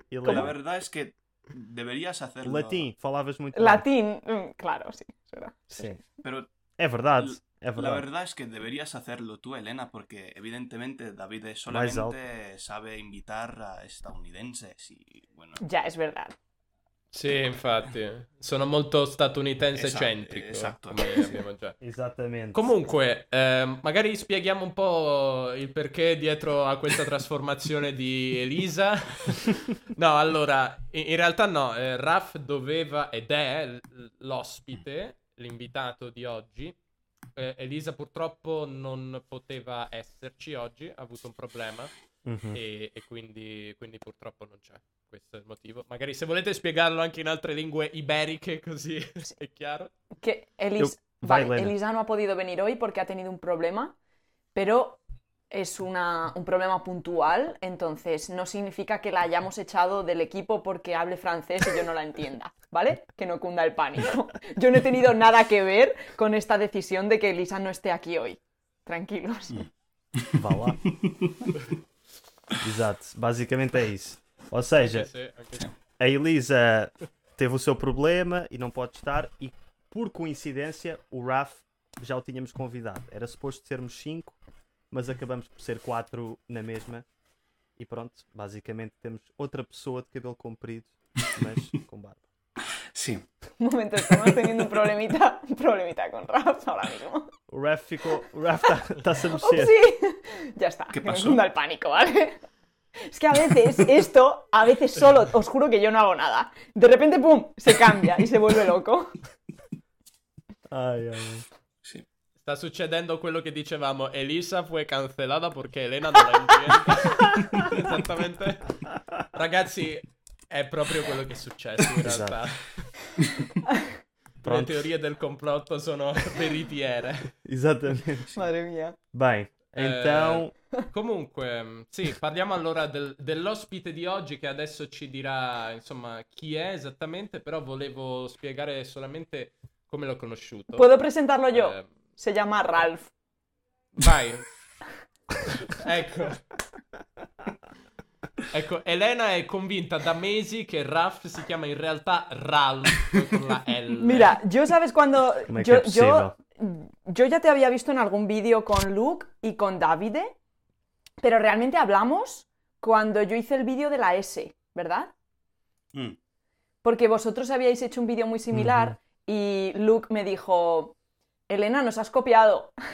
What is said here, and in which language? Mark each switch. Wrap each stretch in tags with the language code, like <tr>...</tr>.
<es>La verdad es que deberías hacerlo. Latín, falabas muy claro. Latín, claro, sí. Sí. Pero es verdad. La verdad es que deberías hacerlo tú, Elena, porque evidentemente David solamente sabe invitar a estadounidenses y bueno. Ya, es verdad.</es> <it>Sì, infatti. Sono molto statunitense centrico. Esatto. Come abbiamo già. Esattamente. Comunque, magari spieghiamo un po' il perché dietro a questa trasformazione di Elisa. No, allora, in realtà no. Raph doveva, ed è l'ospite, l'invitato di oggi. Elisa purtroppo non poteva esserci oggi, ha avuto un problema. Mm-hmm. E quindi purtroppo non c'è, questo è il motivo. Magari se volete spiegarlo anche in altre lingue iberiche, così sì. È chiaro che Elisa non ha potuto venire oggi perché ha tenuto un problema, però è un problema puntuale,</it> <es>entonces no significa che la hayamos echado del equipo perché hable francés e yo no la entienda,</es> <it>¿vale?</it> <es>Que no cunda el pánico. Yo no he tenido nada que ver con esta decisión de que Elisa no esté aquí hoy. Tranquilos.</es> <fr>Voilà.</fr> <pt>Exato, basicamente é isso. Ou seja, a Elisa teve o seu problema e não pode estar, e por coincidência o Raph já o tínhamos convidado. Era suposto sermos 5, mas acabamos por ser 4 na mesma. E pronto, basicamente temos outra pessoa de cabelo comprido, mas com barba. Sim. Um momento, estamos tendo um problemita com o Raph agora mesmo. O Raph ficou. O Raph está-se a mexer. Ups, já está. Que passou? Não dá o pânico, vale?</pt> <es>Es que a veces esto, a veces solo, os juro que yo no hago nada. De repente, pum, se cambia y se vuelve loco. Ay, ay. Sí. Está sucediendo</es> <it>quello che dicevamo.</it> <es>Elisa fue cancelada porque Elena no la entiende. Exactamente.</es> <it>Ragazzi, è proprio quello che è successo in realtà. Pronto. Le teorie del complotto sono veritiere. Esattamente.</it> <es>Madre mia.</es> <pt>Vai. Então...</pt> <it>comunque, sì, parliamo allora dell'ospite di oggi, che adesso ci dirà, insomma, chi è esattamente, però volevo spiegare solamente come l'ho conosciuto. Posso presentarlo io? Si chiama Raph. Vai. Ecco, Elena è convinta da mesi che Raph si chiama in realtà Ralph con la L.</it> <es>Mira, yo sabes cuando... Yo ya te había visto en algún vídeo con Luke y con Davide, pero realmente hablamos cuando yo hice el vídeo de la S, ¿verdad? Mm. Porque vosotros habíais hecho un vídeo muy similar, mm-hmm. Y Luke me dijo, Elena, nos has copiado.</es>